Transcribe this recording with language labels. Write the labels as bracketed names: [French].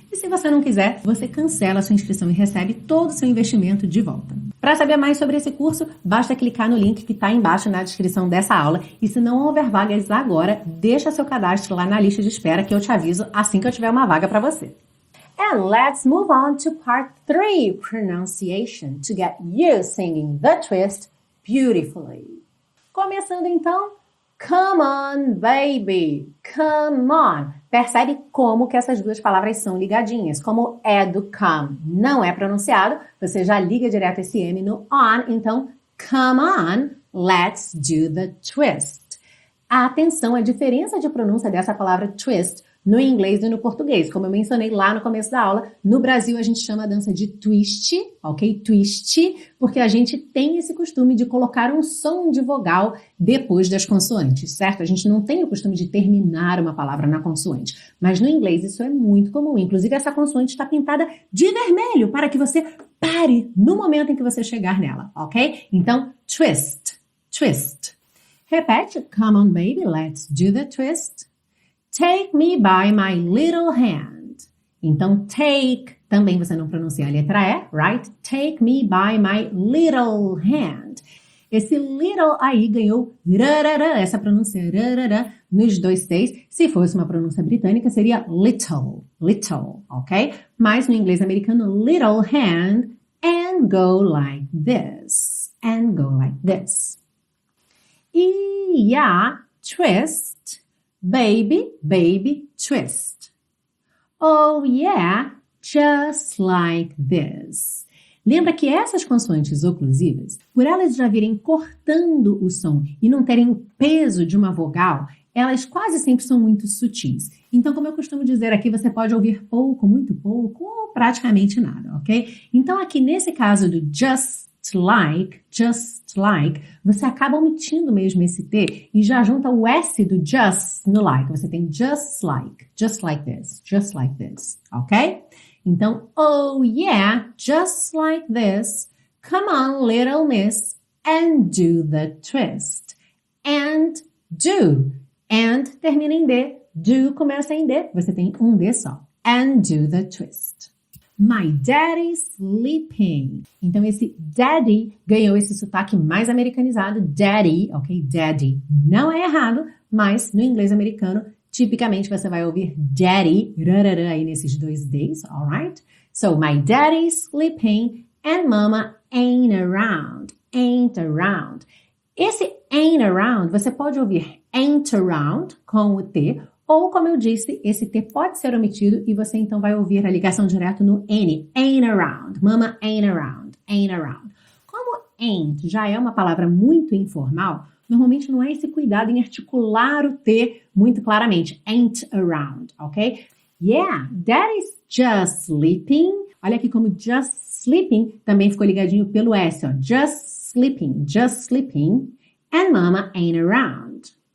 [Portuguese] E se você não quiser, você cancela a sua inscrição e recebe todo o seu investimento de volta. Para saber mais sobre esse curso, basta clicar no link que está embaixo na descrição dessa aula. E se não houver vagas agora, deixa seu cadastro lá na lista de espera que eu te aviso assim que eu tiver uma vaga para você. [English] And let's move on to part 3, pronunciation, to get you singing the twist beautifully. [Portuguese] Começando então, [English] come on, baby, come on. [Portuguese] Percebe como que essas duas palavras são ligadinhas. Como é do come não é pronunciado, você já liga direto esse M no on. Então, [English] come on, let's do the twist. [Portuguese] Atenção à diferença de pronúncia dessa palavra twist no inglês e no português. Como eu mencionei lá no começo da aula, no Brasil a gente chama a dança de twist, ok? Twist, porque a gente tem esse costume de colocar um som de vogal depois das consoantes, certo? A gente não tem o costume de terminar uma palavra na consoante. Mas no inglês isso é muito comum. Inclusive essa consoante está pintada de vermelho para que você pare no momento em que você chegar nela, ok? Então, twist, twist. Repete, come on baby, let's do the twist. [English] Take me by my little hand. [Portuguese] Então, take, também você não pronuncia a letra E, [English] right? Take me by my little hand. [Portuguese] Esse little aí ganhou rarara, essa pronúncia rarara, nos dois T's. Se fosse uma pronúncia britânica, seria little, little, ok? Mas no inglês americano, [English] little hand, and go like this, and go like this. E a twist. Baby, baby, twist. Oh, yeah, just like this. [Portuguese] Lembra que essas consoantes oclusivas, por elas já virem cortando o som e não terem o peso de uma vogal, elas quase sempre são muito sutis. Então, como eu costumo dizer aqui, você pode ouvir pouco, muito pouco, ou praticamente nada, ok? Então, aqui nesse caso do just like, você acaba omitindo mesmo esse T e já junta o S do just no like. Você tem [English] just like this, ok? [Portuguese] Então, [English] oh yeah, just like this, come on little miss and do the twist. [Portuguese] And do, and termina em D, do começa em D, você tem um D só. [English] And do the twist. My daddy's sleeping. [Portuguese] Então, esse daddy ganhou esse sotaque mais americanizado. Daddy, ok? Daddy. Não é errado, mas no inglês americano, tipicamente você vai ouvir daddy rarara, aí nesses dois D's, [English] alright? So, my daddy's sleeping and mama ain't around. Ain't around. [Portuguese] Esse ain't around, você pode ouvir ain't around com o T. Ou, como eu disse, esse T pode ser omitido e você então vai ouvir a ligação direto no N. Ain't around. [English] Mama ain't around. Ain't around. [Portuguese] Como ain't já é uma palavra muito informal, normalmente não é esse cuidado em articular o T muito claramente. [English] Ain't around, ok? Yeah, that is just sleeping. [Portuguese] Olha aqui como just sleeping também ficou ligadinho pelo S, ó. [English] Just sleeping, and mama ain't around.